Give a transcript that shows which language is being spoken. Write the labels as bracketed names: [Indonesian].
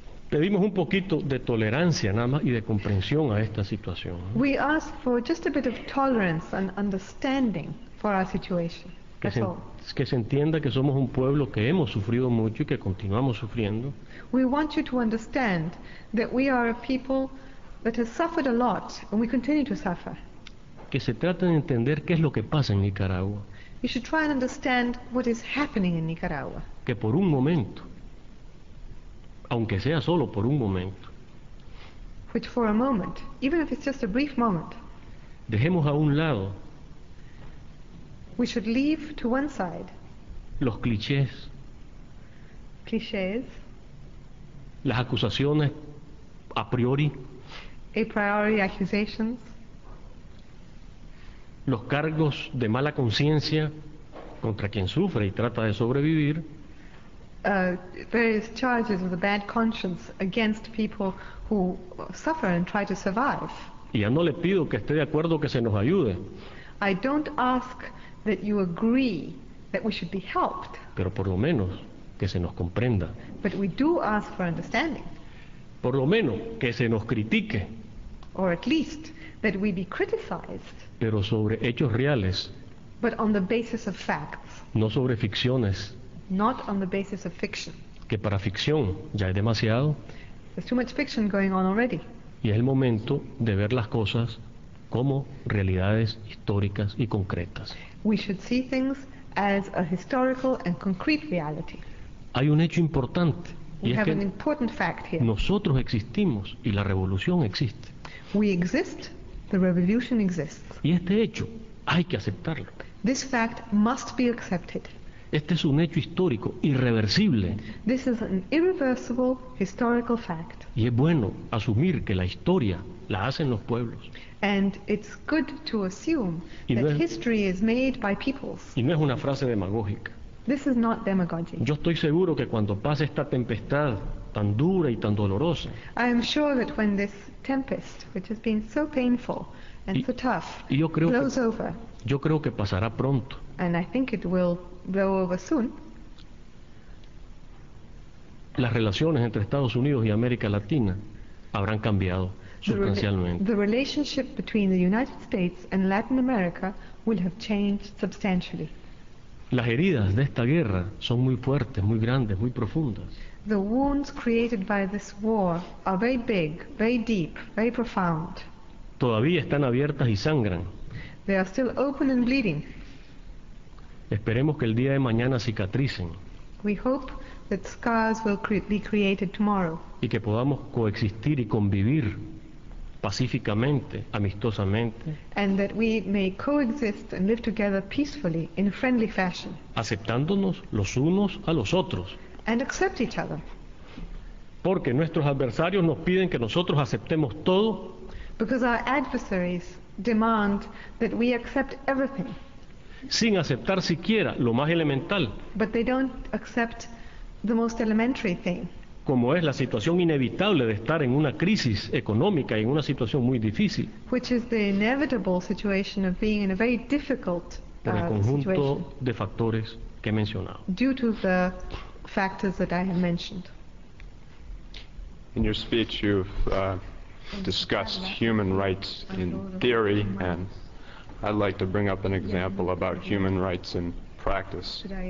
[Spanish] Pedimos un poquito de tolerancia nada más y de comprensión a esta situación. [English] We ask for just a bit of tolerance and understanding for our situation. [Spanish] Que se entienda que somos un pueblo que hemos sufrido mucho y que continuamos sufriendo. [English] We want you to understand that we are a people that has suffered a lot and we continue to suffer. [Spanish] Que se trate de entender qué es lo que pasa en Nicaragua. [English] You should try and understand what is happening in Nicaragua. [Spanish] Que por un momento, aunque sea solo por un momento, [English] which for a moment, even if it's just a brief moment, [Spanish] dejemos a un lado, [English] we should leave to one side [Spanish] los clichés, [English] clichés, [Spanish] las acusaciones [English] a priori accusations, [Spanish] los cargos de mala conciencia contra quien sufre y trata de sobrevivir, [English] various charges of a bad conscience against people who suffer and try to survive. [Spanish] Y ya no le pido que esté de acuerdo que se nos ayude. [English] I don't ask that you agree that we should be helped. [Spanish] Pero por lo menos que se nos comprenda. [English] But we do ask for understanding. [Spanish] Por lo menos que se nos critique. [English] Or at least that we be criticized. [Spanish] Pero sobre hechos reales. [English] But on the basis of facts. [Spanish] No sobre ficciones. [English] Not on the basis of fiction. [Spanish] Que para ficción ya es demasiado. [English] There's too much fiction going on already. [Spanish] Y es el momento de ver las cosas como realidades históricas y concretas. [English] We should see things as a historical and concrete reality. [Spanish] Hay un hecho importante. [English] We have an important fact here. [Spanish] Nosotros existimos y la revolución existe. [English] We exist, the revolution exists. [Spanish] Y este hecho hay que aceptarlo. [English] This fact must be accepted. [Spanish] Este es un hecho histórico irreversible. [English] This is an irreversible historical fact. [Spanish] Y es bueno asumir que la historia la hacen los pueblos. [English] And it's good to assume that history is made by peoples. [Spanish] Y no es una frase demagógica. [English] This is not demagogy. [Spanish] Yo estoy seguro que cuando pase esta tempestad tan dura y tan dolorosa, [English] I am sure that when this tempest, which has been so painful and so tough, blows over, [Spanish] yo creo que pasará pronto. [English] And I think it will blow over soon. [Spanish] Las relaciones entre Estados Unidos y América Latina habrán cambiado sustancialmente. [English] The relationship between the United States and Latin America will have changed substantially. [Spanish] Las heridas de esta guerra son muy fuertes, muy grandes, muy profundas. [English] The wounds created by this war are very big, very deep, very profound. [Spanish] Todavía están abiertas y sangran. [English] They are still open and bleeding. [Spanish] Esperemos que el día de mañana cicatricen. [English] We hope that scars will be created tomorrow. [Spanish] Y que podamos coexistir y convivir pacíficamente, amistosamente. [English] And that we may coexist and live together peacefully in a friendly fashion. [Spanish] Aceptándonos los unos a los otros. [English] And accept each other. [Spanish] Porque nuestros adversarios nos piden que nosotros aceptemos todo. [English] Because our adversaries demand that we accept everything. [Spanish] Sin aceptar siquiera lo más elemental. [English] But they don't accept the most elementary thing. [Spanish] Como es la situación inevitable de estar en una crisis económica y en una situación muy difícil. [English] Which is the inevitable situation of being in a very difficult situation. [Spanish] Por el conjunto de factores que he mencionado. [English] Due to the factors that I have mentioned. In your speech you've discussed human rights in theory, and I'd like to bring up an example about human rights in practice.